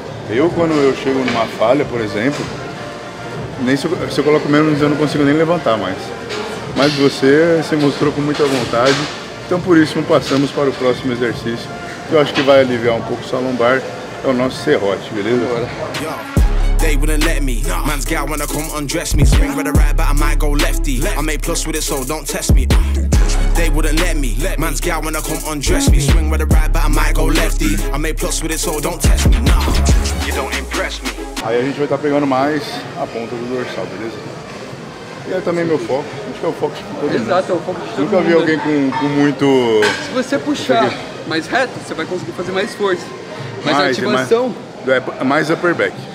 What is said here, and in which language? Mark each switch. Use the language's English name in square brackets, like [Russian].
[Portuguese] Eu, quando eu chego numa falha, por exemplo, nem se eu coloco menos, eu não consigo nem levantar mais. Mas você se mostrou com muita vontade, então por isso passamos para o próximo exercício, que eu acho que vai aliviar um pouco sua lombar, é o nosso serrote, beleza? [English] Bora. They wouldn't let me. Man's gal wanna come undress me. Swing with a right, but I might go lefty. I make plus with it, so don't test me. They wouldn't let me. Man's gal wanna come undress me. Swing with a right, but I might go lefty. I make plus with it, so don't test me. Nah. You don't impress me. [Portuguese] Aí a gente vai estar pegando mais a ponta do dorsal, beleza? E aí também meu foco. Acho que é o foco de todo mundo. Exato, é o foco de todo mundo. Nunca vi alguém com muito. Se você puxar mais reto, você vai conseguir fazer mais força. Mas a ativação. Mais upper back.